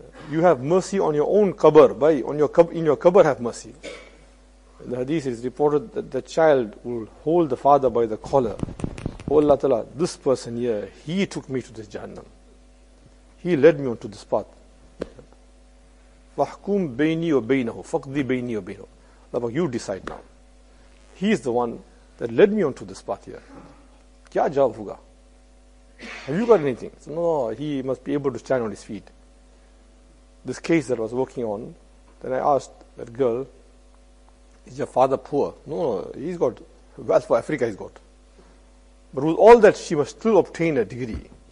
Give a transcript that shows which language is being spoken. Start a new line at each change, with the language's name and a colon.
English: You have mercy on your own qabr, in your qabr have mercy. In the hadith is reported that the child will hold the father by the collar. Oh Allah Ta'ala, this person here, he took me to this Jahannam. He led me onto this path.
Arabic: فَحْكُمْ بَيْنِي وَبَيْنَهُ فَقْضِي بَيْنِي وَبَيْنَهُ
English: Allah Ta'ala, you decide now. He is the one that led me onto this path here.
Urdu: Kya jawab hoga?
English: Have you got anything? So, no, he must be able to stand on his feet. This case that I was working on, then I asked that girl, is your father poor? No, he's got wealth for Africa, he's got. But with all that, she must still obtain a degree.